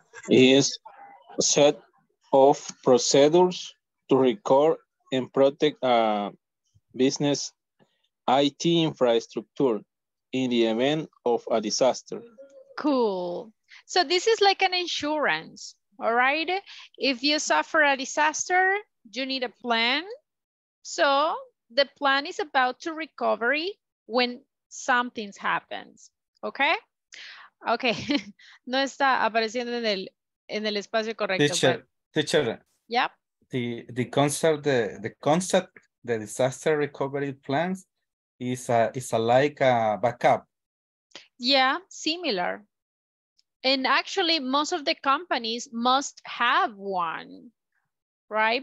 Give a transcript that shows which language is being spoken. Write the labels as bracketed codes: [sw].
[en] Is a set of procedures to recover and protect a business IT infrastructure in the event of a disaster. Cool. So this is like an insurance, all right? If you suffer a disaster, you need a plan. So the plan is about to recovery when something happens, okay? [es] Okay, no está apareciendo en el espacio correcto. [en] Teacher, but... teacher. Yep. The concept, the disaster recovery plans, is a like a backup. Yeah, similar. And actually most of the companies must have one, right?